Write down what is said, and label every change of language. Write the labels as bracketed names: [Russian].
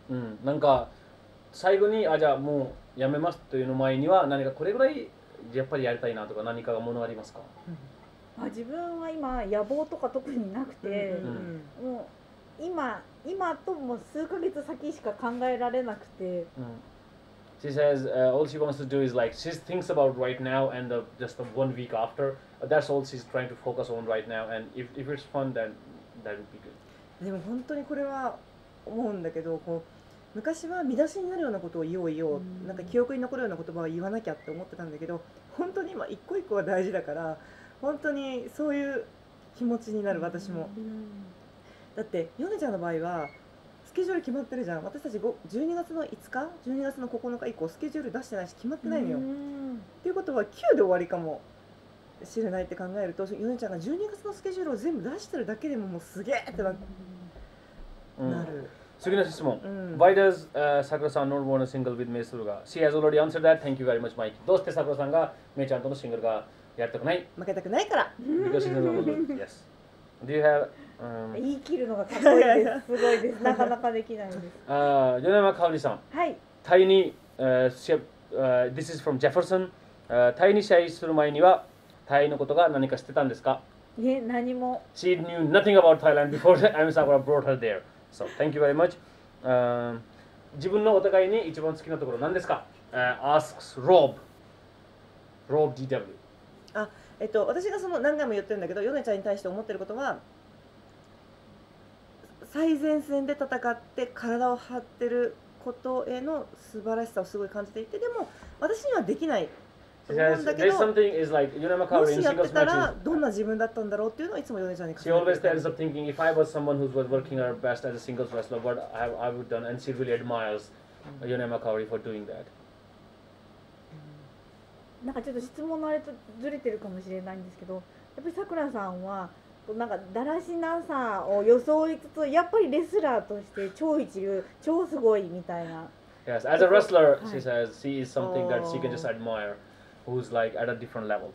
[Japanese] うん、なんか最後に、あ、じゃあもうやめますというの前には何かこれぐらいやっぱりやりたいなとか何かがものありますか？まあ、自分は今野望とか特になくて、うん、もう今ともう数ヶ月先しか考えられなくて、 [English] うん、She says, all she wants to do is like, she thinks about right now and the, just the 1 week after. That's all she's trying to focus on right now. And if it's fun, then that would be good. [Japanese] でも本当にこれは思うんだけど、こう昔は見出しになるようなことを言おう言おう、なんか記憶に残るような言葉を言わなきゃって思ってたんだけど、本当に今一個一個が大事だから、本当にそういう気持ちになる私も。だって、ヨネちゃんの場合は、スケジュール決まってるじゃん。私たち12月の5日、12月の9日以降スケジュール出してないし決まってないのよ。うん、っていうことは9で終わりかもしれないって考えると、ヨネちゃんが12月のスケジュールを全部出してるだけでももうすげーってなる。次の質問。 [English] Why does Sakura san not want a single with Mei Suruga? She has already answered that. Thank you very much, Mike. [Japanese] どうして Sakura さんが Mei ちゃんとのシングルがやりたくない？負けたくないから。 [English] Because she doesn't want to. Yes. Do you have... [Japanese] 言い切るのがかっこいいです。すごいです。なかなかできないです。米山かおりさん。はい。 [English] タイに、This is from Jefferson。 [Japanese] タイに試合する前には、タイのことが何か知ってたんですか？いえ、何も。 [English] She knew nothing about Thailand before Ami Sakura brought her there. So, thank you very much. [Japanese] 自分のお互いに一番好きなところ何ですか？ [English] Asks Rob. Rob DW. [Japanese] あ、私がその何回も言ってるんだけど、米ちゃんに対して思ってることは、最前線で戦って体を張ってることへの素晴らしさをすごい感じていて、でも私にはできないと思うんだけど、like、もしやってたらどんな自分だったんだろうっていうのをいつもヨネちゃんに考えてる。 [English] She always ends up thinking, if I was someone who's working her best as a singles wrestler, what I would have done, and she really admires Yonema Kaori for doing that. [Japanese] なんかちょっと質問のあれとずれてるかもしれないんですけど、やっぱりさくらさんはなんかだらしなさを装いつつやっぱりレスラーとして超一流超すごいみたいな。 [English] Yes, as a wrestler, she says she is something that she can just admire, who's like at a different level.